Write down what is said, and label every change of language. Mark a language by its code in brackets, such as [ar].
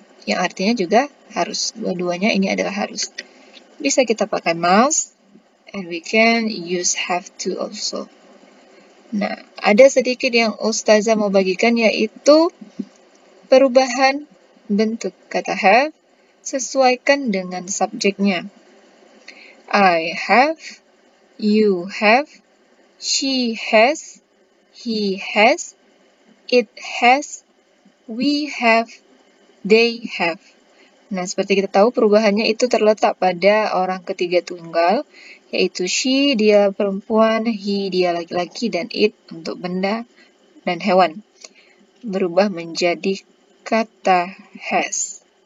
[id] Yang artinya juga harus. Dua-duanya ini adalah harus. Bisa kita pakai must. [en] And we can use have to also. [id] Nah, ada sedikit yang Ustazah mau bagikan, yaitu perubahan bentuk kata have sesuaikan dengan subjeknya. [en] I have, you have, she has, he has, it has, we have, they have. [id] Nah, seperti kita tahu, perubahannya itu terletak pada orang ketiga tunggal, yaitu she, dia perempuan, he, dia laki-laki, dan it untuk benda dan hewan. Berubah menjadi kata has.